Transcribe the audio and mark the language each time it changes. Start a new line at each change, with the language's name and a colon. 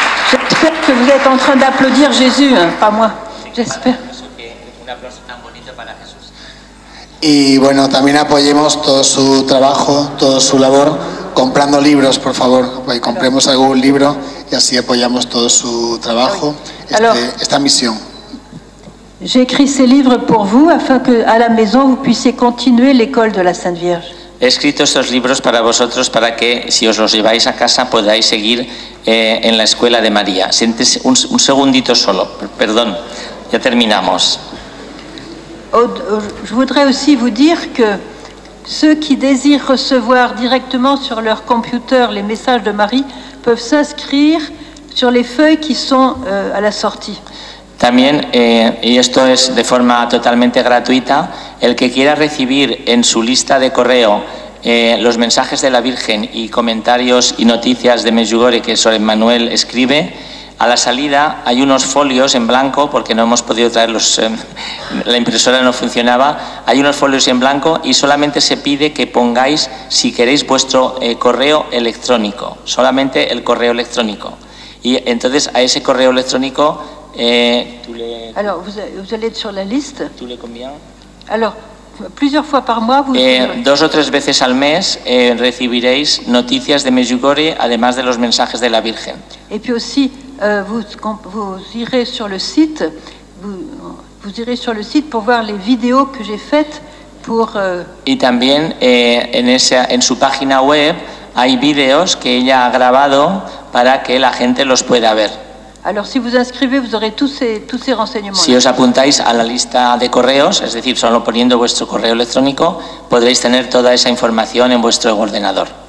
French: J'espère que vous êtes en train d'applaudir Jésus, hein, pas moi. J'espère.
Spanish: Y bueno, también apoyemos todo su trabajo, toda su labor, comprando libros, por favor. Compremos algún libro y así apoyamos todo su trabajo, esta misión.
French: J'ai écrit ces livres pour vous afin que à la maison vous puissiez continuer l'école de la Sainte Vierge.
Spanish: He escrito estos libros para vosotros para que si os los lleváis a casa podáis seguir en la escuela de María. Sientes un segundito solo. Perdón. Ya terminamos.
French: Je voudrais aussi vous dire que ceux qui désirent recevoir directement sur leur computer les messages de Marie peuvent s'inscrire sur les feuilles qui sont à la sortie.
Spanish: También, y esto es de forma totalmente gratuita, el que quiera recibir en su lista de correo los mensajes de la Virgen y comentarios y noticias de Medjugorje que Sor Emmanuel escribe, a la salida hay unos folios en blanco, porque no hemos podido traer los, la impresora no funcionaba, hay unos folios en blanco y solamente se pide que pongáis, si queréis, vuestro correo electrónico, solamente el correo electrónico. Y entonces a ese correo electrónico...
French: vous allez sur la liste. Tous les combien? Alors, plusieurs fois par mois, vous...
Spanish: dos o tres veces al mes recibiréis noticias de Medjugorje, además de los mensajes de la Virgen.
French: Et puis aussi, vous irez sur le site, vous irez sur le site pour voir les vidéos que j'ai faites pour...
Spanish: Y también en su página web hay vídeos que ella ha grabado para que la gente los pueda ver.
French: Alors, si vous inscrivez, vous aurez tous ces renseignements.
Spanish: Si os apuntáis a la lista de correos, es decir, solo poniendo vuestro correo electrónico, podréis tener toda esa información en vuestro ordenador.